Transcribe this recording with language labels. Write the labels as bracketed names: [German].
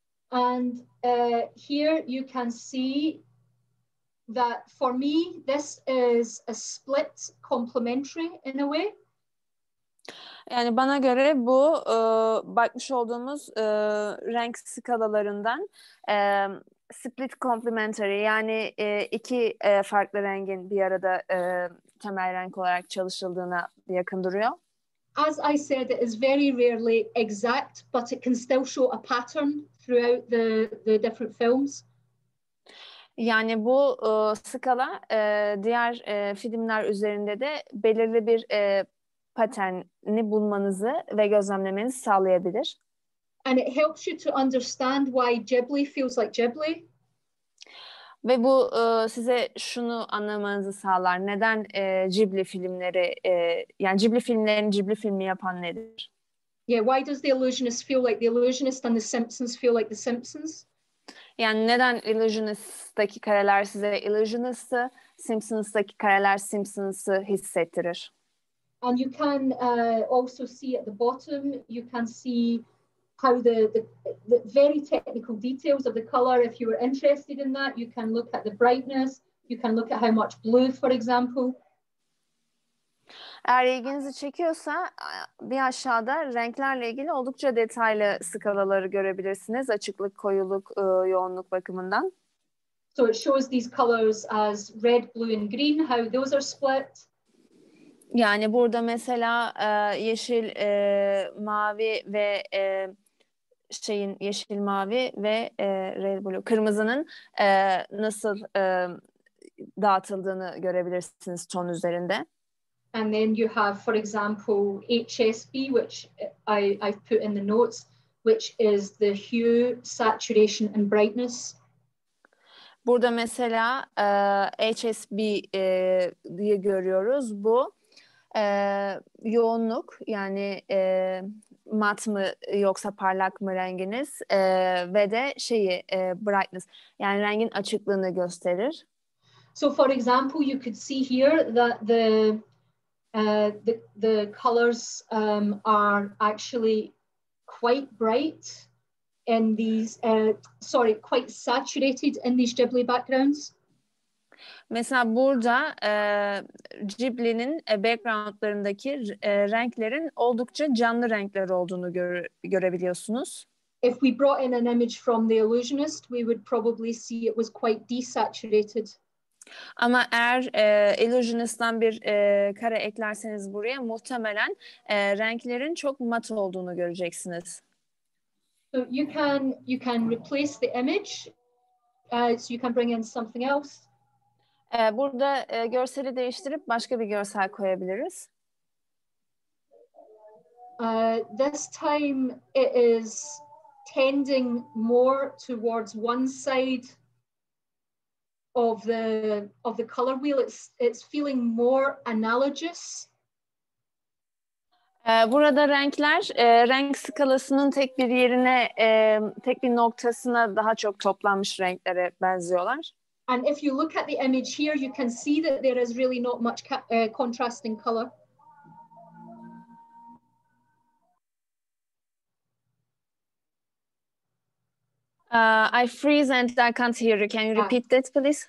[English] And here you can see that for me this is a split complementary in a way. [Turkish] Yani bana göre bu bakmış olduğumuz renk skalalarından split complementary, yani iki farklı rengin bir arada temel renk olarak çalışıldığına yakın duruyor. [English] As I said, it is very rarely exact, but it can still show a pattern throughout the different films. [Turkish] Yani bu skala diğer filmler üzerinde de belirli bir paterni bulmanızı ve gözlemlemenizi sağlayabilir. [English] And it helps you to understand why Ghibli feels like Ghibli. [Turkish] Ve bu size şunu anlamanızı sağlar. Neden Ghibli filmleri, yani Ghibli filmlerin Ghibli filmi yapan nedir? [English] Yeah, why does The Illusionist feel like The Illusionist and The Simpsons feel like The Simpsons? [Turkish] Yani neden Illusionist'taki kareler size Illusionist'ı, Simpsons'taki kareler Simpsons'ı hissettirir? [English] And you can also see at the bottom, you can see how the very technical details of the color, if you were interested in that, you can look at the brightness, you can look at how much blue, for example. [Turkish] Eğer ilginizi çekiyorsa bir aşağıda renklerle ilgili oldukça detaylı skalaları görebilirsiniz. Açıklık, koyuluk, yoğunluk bakımından. [English] So it shows these colors as red, blue and green, how those are split. [Turkish] Yani burada mesela yeşil, mavi ve şeyin yeşil, mavi ve [English] red, blue, [Turkish] kırmızının nasıl dağıtıldığını görebilirsiniz ton üzerinde. [English] And then you have, for example, HSB, which I've put in the notes, which is the hue, saturation and brightness. [Turkish] Burada mesela HSB diye görüyoruz. Bu yoğunluk, yani mat mı yoksa parlak mı renginiz ve de şeyi, brightness, yani rengin açıklığını gösterir. [English] So for example, you could see here that the colors are actually quite bright in these quite saturated in these Ghibli backgrounds. [Turkish] Mesela burada Ghibli'nin backgroundlarındaki renklerin oldukça canlı renkler olduğunu görebiliyorsunuz. [English] If we brought in an image from The Illusionist, we would probably see it was quite desaturated. [Turkish] Ama eğer Illusionist'tan bir kare eklerseniz buraya, muhtemelen renklerin çok mat olduğunu göreceksiniz. [English] So you can replace the image, so you can bring in something else. [Turkish] Burada görseli değiştirip başka bir görsel koyabiliriz. [English] This time it is tending more towards one side of the color wheel. It's feeling more analogous. [Turkish] Burada renkler renk skalasının tek bir yerine, tek bir noktasına daha çok toplanmış renklere benziyorlar. [English] And if you look at the image here, you can see that there is really not much contrasting color. I freeze and I can't hear you. Can you repeat that, please?